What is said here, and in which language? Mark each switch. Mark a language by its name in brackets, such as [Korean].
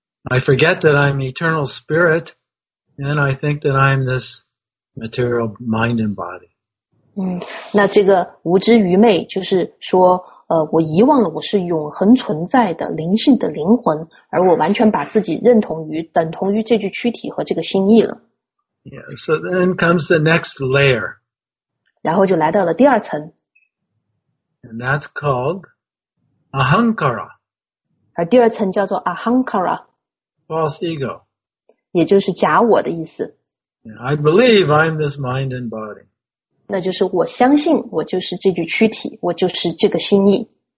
[English] I forget that I'm eternal spirit, and I think that I'm this material mind and body. [Chinese] 那这个无知愚昧就是说,我遗忘了我是永恒存在的灵性的灵魂，而我完全把自己认同于等同于这具躯体和这个心意了。 [English] Yeah, so then comes the next layer. [Chinese] 然后就来到了第二层。 [English] And that's called Ahankara. [Chinese] 而第二层叫做 Ahankara. [English] False ego. [Chinese] 也就是假我的意思。 [English] Yeah, I believe I'm this mind and body. [Chinese] 那就是我相信我就是这具躯体，我就是这个心意。